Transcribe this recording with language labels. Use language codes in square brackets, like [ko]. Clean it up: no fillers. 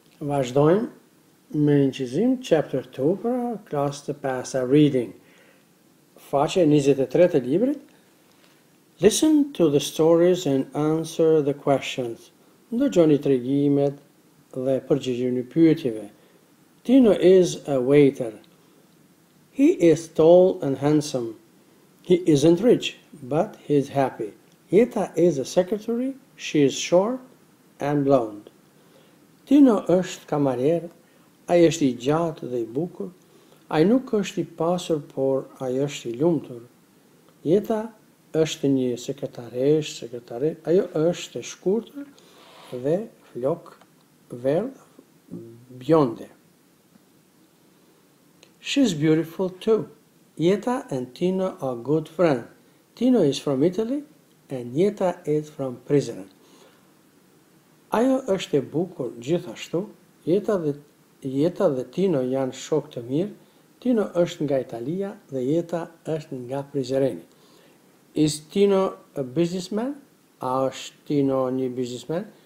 [sq] Vazhdojmë me incizim, [en] chapter 2, [sq] pra, klasë të pasa, reading. Faqe 23 të librit. [en] Listen to the stories and answer the questions. [sq] Ndëgjoni tregimet dhe përgjigjeni pyetjeve. [en] Tino is a waiter. He is tall and handsome. He isn't rich, but he is happy. Jeta is a secretary. She is short and blonde. [sq] Tino është kamarier, ai është I gjatë dhe I bukur, ai nuk është I pasur, por ai është I lumtur. Jeta është një sekretare, ajo është e shkurtër dhe flok verdh, bjonde. [en] She's beautiful too. Jeta and Tino are good friends. Tino is from Italy and Jeta is from prison. [sq] Ajo është e bukur gjithashtu, jeta dhe Tino janë shok të mirë, Tino është nga Italia dhe Jeta është nga Prizreni. [en] Is Tino a businessman? [sq] A është Tino një businessman?